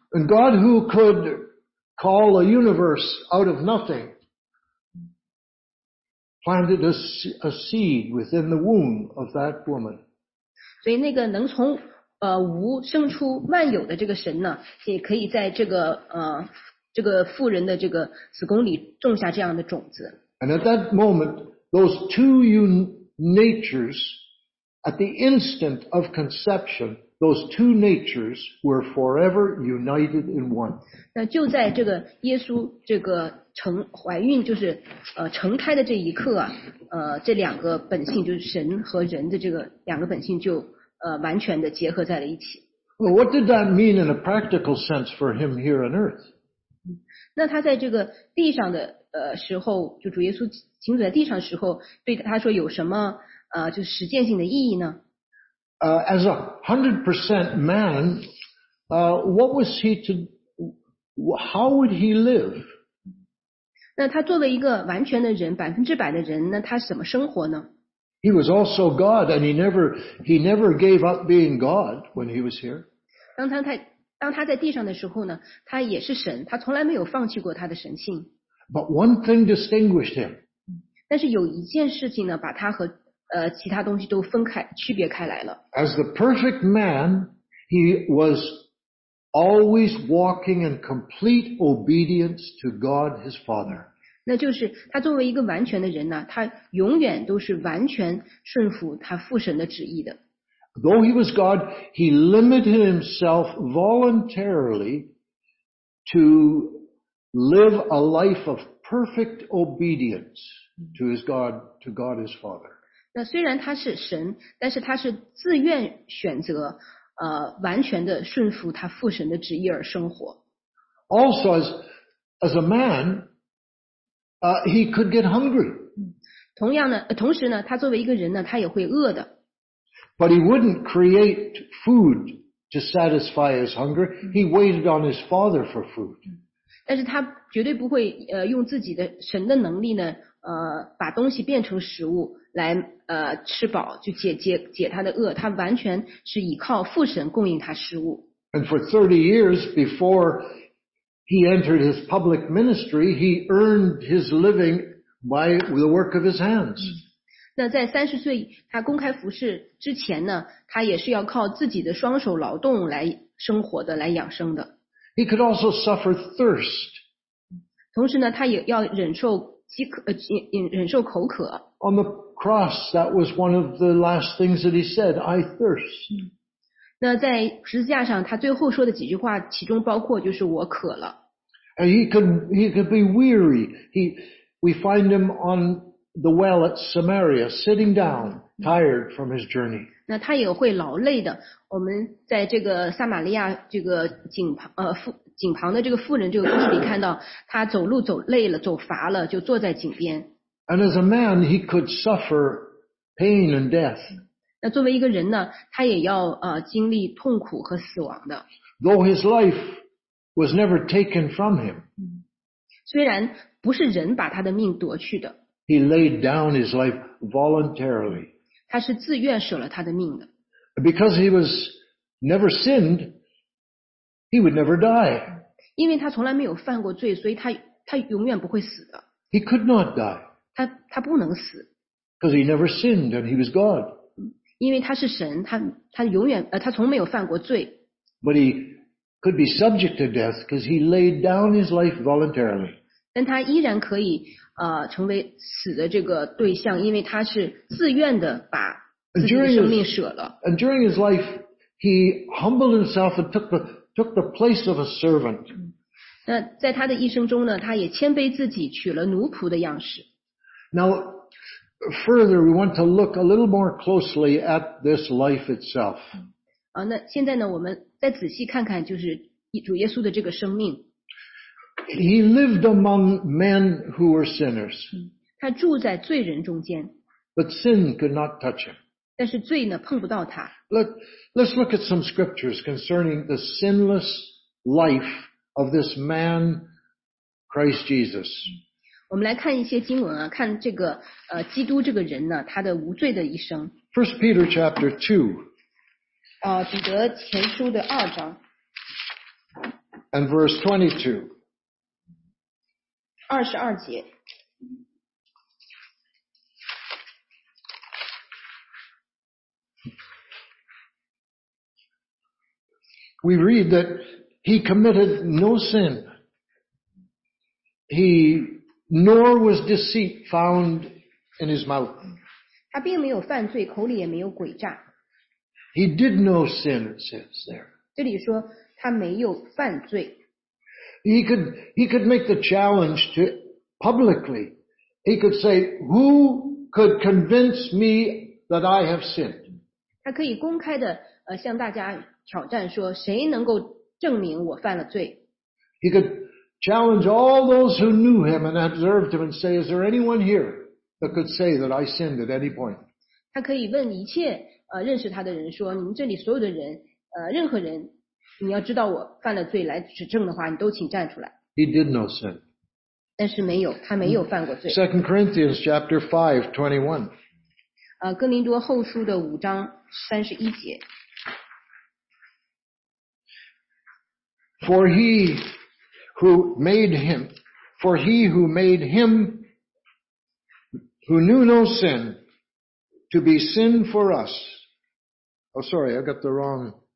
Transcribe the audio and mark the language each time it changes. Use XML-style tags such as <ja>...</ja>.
<en>And God who could call a universe out of nothing planted a seed within the womb of that woman.</en> <zh>所以那个能从无生出万有的这个神呢，也可以在这个妇人的这个子宫里种下这样的种子。</zh> <en>And at that moment, those two natures, at the instant of conception, those two natures were forever united in one.</en> <zh>那就在这个耶稣这个怀孕就是成胎的这一刻啊，这两个本性就是神和人的这个两个本性就完全的结合在了一起。</zh> <en>Well, what did that mean in a practical sense for him here on earth?</en> <zh>那他在这个地上的时候，就主耶稣行走在地上的时候，对他说有什么就是实践性的意义呢？</zh> <en>As a 100% man, what was he to? How would he live?</en> <zh>那他作为一个完全的人，百分之百的人，那他怎么生活呢</zh> <en>？He was also God, and he never gave up being God when he was here.</en> <zh>当他在地上的时候呢，他也是神，他从来没有放弃过他的神性。</zh> <en>But one thing distinguished him.</en> <zh>但是有一件事情呢，把他和其他东西都分开，区别开来了。</zh> <en>As the perfect man, he was always walking in complete obedience to God, his Father.</en> <zh>那就是他作为一个完全的人呢，他永远都是完全顺服他父神的旨意的。</zh> <en>Though he was God, he limited himself voluntarily to. Live a life of perfect obedience to his God, to God his Father.</en> <zh>那虽然他是神，但是他是自愿选择，完全的顺服他父神的旨意而生活。</zh> <en>Also, as a man, he could get hungry.</en> <zh>同时呢，他作为一个人呢，他也会饿的。</zh> <en>But he wouldn't create food to satisfy his hunger. He waited on his father for food.</en> <zh>但是他绝对不会用自己的神的能力呢，把东西变成食物来吃饱，就解他的饿。他完全是依靠父神供应他食物。</zh> <en>And for 30 years before he entered his public ministry, he earned his living by the work of his hands.</en> <zh>那在30岁他公开服事之前呢，他也是要靠自己的双手劳动来生活的，来养生的。</zh> <en>He could also suffer thirst.</en> <zh>同时呢，他也要忍受饥渴，忍受口渴。</zh> <en>On the cross, that was one of the last things that he said, I thirst.</en> <zh>那在十字架上，他最后说的几句话，其中包括就是我渴了。</zh> <en>And he could be weary. We find him on the well at Samaria, sitting down, tired from his journey.</en> <zh>那他也会劳累的。我们在这个撒玛利亚这个井旁的这个妇人这个故事里看到，他走路走累了，走乏了，就坐在井边。</zh> <en>And as a man, he could suffer pain and death.</en> <zh>那作为一个人呢，他也要经历痛苦和死亡的。</zh> <en>Though his life was never taken from him.</en> <zh>虽然不是人把他的命夺去的。</zh> <en>He laid down his life voluntarily.</en> <zh>他是自愿舍了他的命的。</zh> <en>Because he was never sinned, he would never die.</en> <zh>因为他从来没有犯过罪，所以他永远不会死的。</zh> <en>He could not die.</en> <zh>他不能死。</zh> <en>Because he never sinned and he was God.</en> <zh>因为他是神，他永远他从没有犯过罪。</zh> <en>But he could be subject to death because he laid down his life voluntarily.</en> <zh>但他依然可以成为死的这个对象，因为他是自愿的把自己的生命舍了。</zh> <en>And during his life, he humbled himself and took the place of a servant.</en> <zh>那在他的一生中呢，他也谦卑自己，取了奴仆的样式。</zh> <en>Now, further, we want to look a little more closely at this life itself.</en> <zh>那现在呢，我们再仔细看看，就是主耶稣的这个生命。</zh> <en>He lived among men who were sinners.</en> <zh>他住在罪人中间。</zh> <en>But sin could not touch him.</en> <zh>但是罪呢，碰不到他。</zh> <en>Let's look at some scriptures concerning the sinless life of this man, Christ Jesus.</en> <zh>我们来看一些经文啊，看这个基督这个人呢，他的无罪的一生。</zh> <en>First Peter chapter 2.</en> <zh>彼得前书的二章。</zh> <en>And verse 22.</en> <zh>二十二节。</zh> <en>We read that he committed no sin. He nor was deceit found in his mouth.</en> <zh>他并没有犯罪，口里也没有诡诈。</zh> <en>He did no sin, it says there.</en> <zh>这里说他没有犯罪。</zh> <en>He could make the challenge to publicly. He could say, "Who could convince me that I have sinned?"</en> <zh>他可以公开的向大家挑战说，谁能够证明我犯了罪？</zh> <en>He could challenge all those who knew him and observed him and say, "Is there anyone here that could say that I sinned at any point?"</en> <zh>他可以问一切认识他的人说，你们这里所有的人任何人。你要知道我犯了罪来指证的话，你都请站出来。</zh> <en>He did no sin.</en> <zh>但是没有，他没有犯过罪。</zh> <en>Second Corinthians chapter 5:21.</en> <zh>哥林多后书的五章三十一节。</zh> <en>For he who made him who knew no sin to be sin for us. Oh, sorry, I got the wrong.</en>